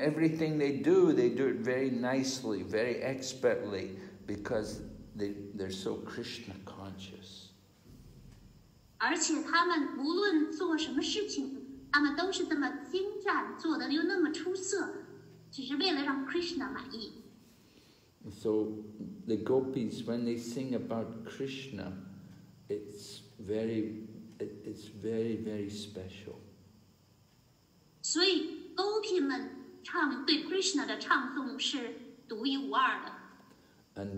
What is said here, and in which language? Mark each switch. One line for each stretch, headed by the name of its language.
English: everything they do it very nicely, very expertly, because they're so Krishna conscious.
Chinese: 而且他们无论做什么事情， 他们都是这么精湛，做得又那么出色，只是为了让Krishna满意。
English: So the gopis, when they sing about Krishna, it's very, very special.
Chinese: 所以，gopi们对Krishna的唱诵是独一无二的。
English: And